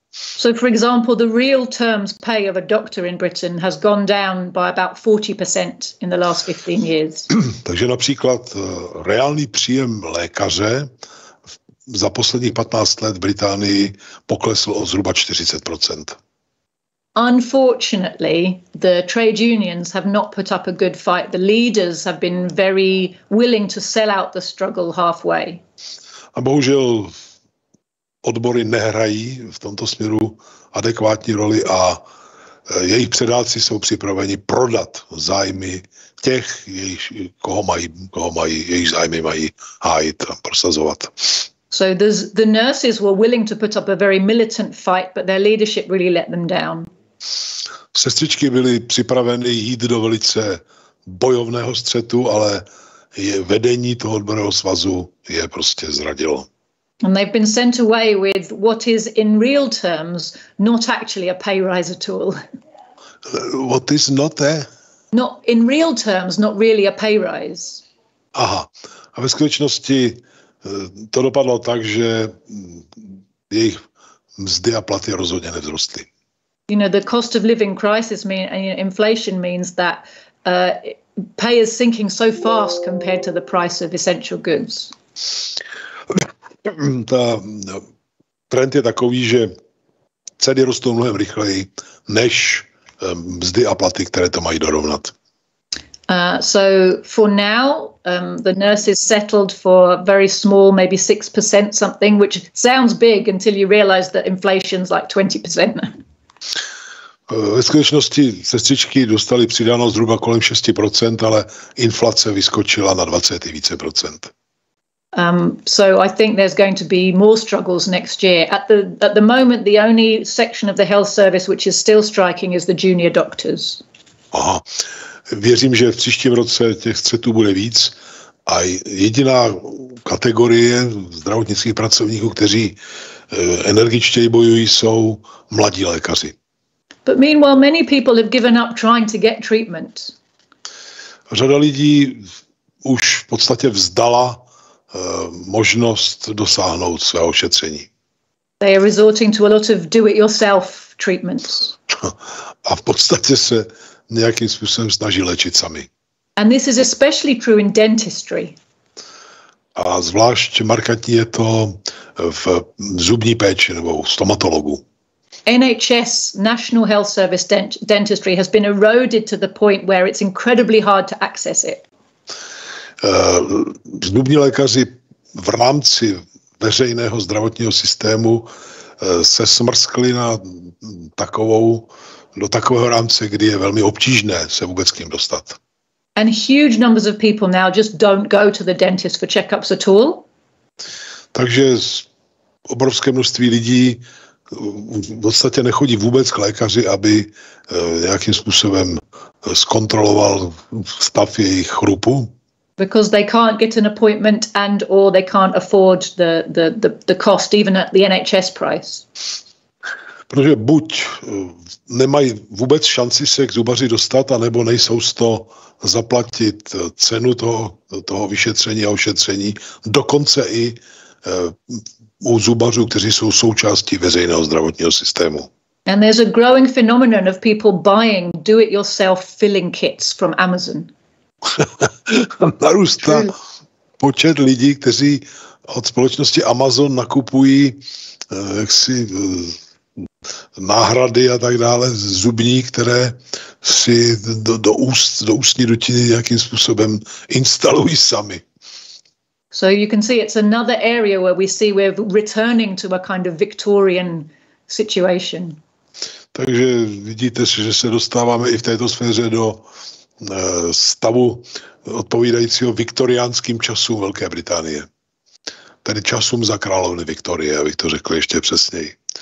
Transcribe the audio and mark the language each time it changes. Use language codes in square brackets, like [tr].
[en] So for example, the real terms pay of a doctor in Britain has gone down by about 40% in the last 15 years. [cs] Takže například reálný příjem lékaře za posledních 15 let v Británii poklesl o zhruba 40%. [en] Unfortunately, the trade unions have not put up a good fight. The leaders have been very willing to sell out the struggle halfway. [cs] A bohužel odbory nehrají v tomto směru adekvátní roli a jejich předáci jsou připraveni prodat zájmy těch, koho mají jejich zájmy mají hájit a prosazovat. [en] So the nurses were willing to put up a very militant fight, but their leadership really let them down. [cs] Sestřičky byly připraveny jít do velice bojovného střetu, ale je vedení toho odborového svazu je prostě zradilo. [en] And they've been sent away with what is in real terms not actually a pay rise at all. What is not there? Not in real terms, not really a pay rise. Aha. [cs] A ve skutečnosti to dopadlo tak, že jejich mzdy a platy rozhodně nevzrostly. [en] You know, the cost of living crisis mean, and, you know, inflation means that pay is sinking so fast compared to the price of essential goods. [cs] Ta trend je takový, že ceny rostou mnohem rychleji než mzdy a platy, které to mají dorovnat. [en] So for now, the nurses settled for very small, maybe 6% something, which sounds big until you realize that inflation's like 20%. [cs] Ve skutečnosti sestřičky dostali přidáno zhruba kolem 6%, ale inflace vyskočila na 20 i více procent. [en] So I think there's going to be more struggles next year. At the moment, the only section of the health service which is still striking is the junior doctors. Aha. [cs] Věřím, že v příštím roce těch střetů bude víc. A jediná kategorie zdravotnických pracovníků, kteří energičtěji bojují, jsou mladí lékaři. [en] But meanwhile, many people have given up trying to get treatment. [cs] Řada lidí už v podstatě vzdala možnost dosáhnout svého ošetření. [en] They are resorting to a lot of do-it-yourself treatments. [cs] A v podstatě se nějakým způsobem snaží léčit sami. [en] And this is especially true in dentistry. [cs] A zvlášť markantní je to v zubní péči nebo v stomatologu. [en] NHS, National Health Service dentistry has been eroded to the point where it's incredibly hard to access it. [cs] Zubní lékaři v rámci veřejného zdravotního systému se smrskli na takovou, do takového rámce, kdy je velmi obtížné se vůbec k ním dostat. [en] And huge numbers of people now just don't go to the dentist for checkups at all. [cs] Takže obrovské množství lidí v podstatě nechodí vůbec k lékaři, aby nějakým způsobem zkontroloval stav jejich chrupu. [en] Because they can't get an appointment and or they can't afford the cost even at the NHS price. [cs] Protože buď nemají vůbec šanci se k zubaři dostat, anebo nejsou z toho zaplatit cenu toho vyšetření a ošetření, dokonce i u zubařů, kteří jsou součástí veřejného zdravotního systému. [en] And there's a growing phenomenon of people buying do-it-yourself filling kits from Amazon. [cs] Narůstá počet lidí, kteří od společnosti Amazon nakupují jaksi náhrady a tak dále, zubní, které si do ústní dutiny nějakým způsobem instalují sami. [en] So you can see it's another area where we see we're returning to a kind of Victorian situation. [cs] Takže vidíte, že se dostáváme i v této sféře do stavu odpovídajícího viktoriánským časům Velké Británie. Tedy časům za královny Viktorie, abych to řekl ještě přesněji.